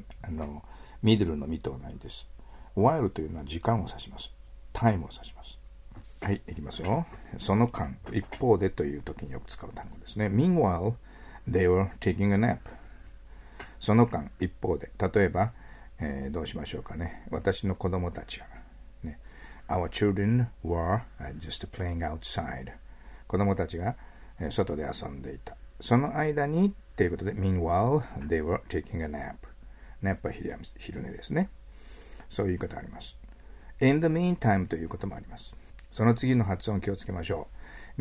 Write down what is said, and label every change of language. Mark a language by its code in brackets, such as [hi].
[ja] あの middle の middle はないです。while というのは時間を指します。time を指します。はい、いきますよ。その間、一方でという時によく使う単語ですね。 [en] meanwhile they were taking a nap。 [ja] その間、一方で、例えばどうしましょうかね。私の子供たちは、ね、 [en] Our children were just playing outside. [ja] 子供たちが外で遊んでいた。その間にということで、 [en] Meanwhile, they were taking a nap. [ja] ナップは昼寝ですね。そういう言い方あります。 [en] In the meantime [ja] ということもあります。その次の発音気をつけましょう。